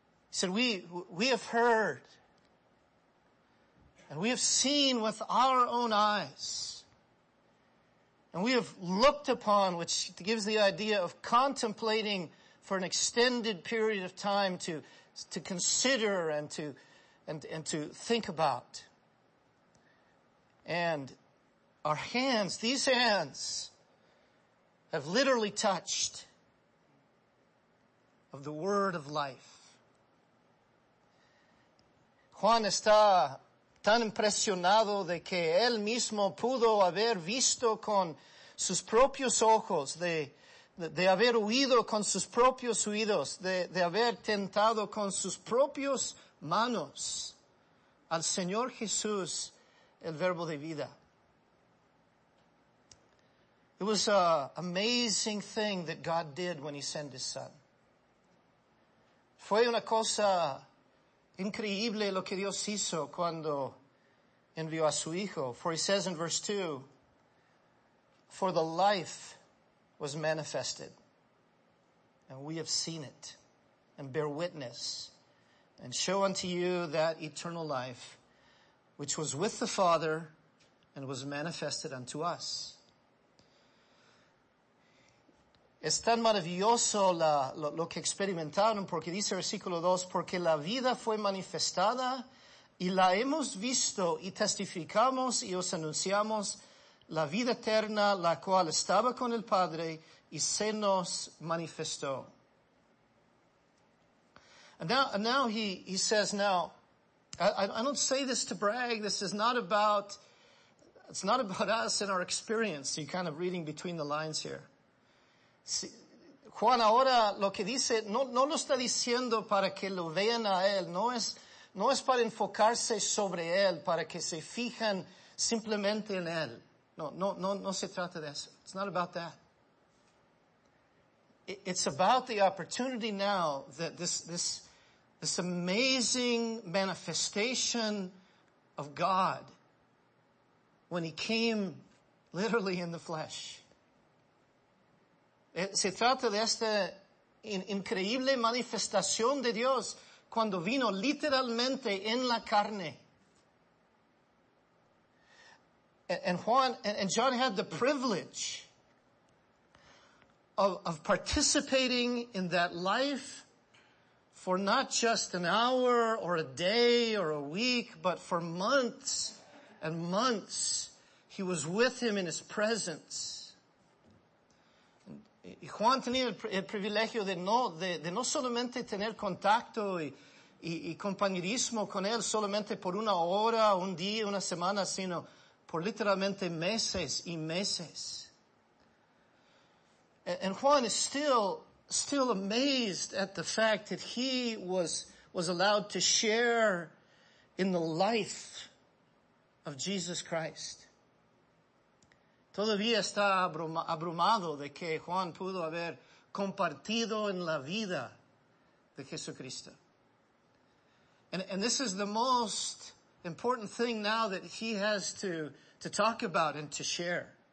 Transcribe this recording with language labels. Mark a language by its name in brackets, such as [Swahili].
[English] He said, we have heard, and we have seen with our own eyes, and we have looked upon, which gives the idea of contemplating for an extended period of time to consider and to think about. And our hands, these hands, have literally touched of the word of life. [Spanish] Juan está tan impresionado de que él mismo pudo haber visto con sus propios ojos, de haber oído con sus propios oídos, de haber tentado con sus propios manos al Señor Jesús, el verbo de vida. [English] It was an amazing thing that God did when he sent his son. [Spanish] Fue una cosa increíble lo que Dios hizo cuando envió a su hijo. [English] For he says in verse 2, for the life was manifested, and we have seen it, and bear witness, and show unto you that eternal life, which was with the Father, and was manifested unto us. [Spanish] Es tan maravilloso lo que experimentaron, porque dice versículo 2, porque la vida fue manifestada y la hemos visto y testificamos y os anunciamos la vida eterna, la cual estaba con el Padre y se nos manifestó. [English] And now he says, I don't say this to brag. This is not about, it's not about us and our experience. You're kind of reading between the lines here. [Spanish] Juan ahora lo que dice, no lo está diciendo para que lo vean a él. No es para enfocarse sobre él, para que se fijen simplemente en él. No se trata de eso. [English] It's not about that. It's about the opportunity now that this amazing manifestation of God when he came literally in the flesh. [Spanish] Se trata de esta increíble manifestación de Dios cuando vino literalmente en la carne. [English] And John had the privilege of participating in that life for not just an hour or a day or a week, but for months and months. He was with him in his presence. [Spanish] Y Juan tenía el privilegio de no solamente tener contacto y compañerismo con él solamente por una hora, un día, una semana, sino por literalmente meses y meses. [English] And Juan is still amazed at the fact that he was allowed to share in the life of Jesus Christ. [Spanish] Todavía está abrumado de que Juan pudo haber compartido en la vida de Jesucristo. [English] And this is the most important thing now that he has to talk about and to share.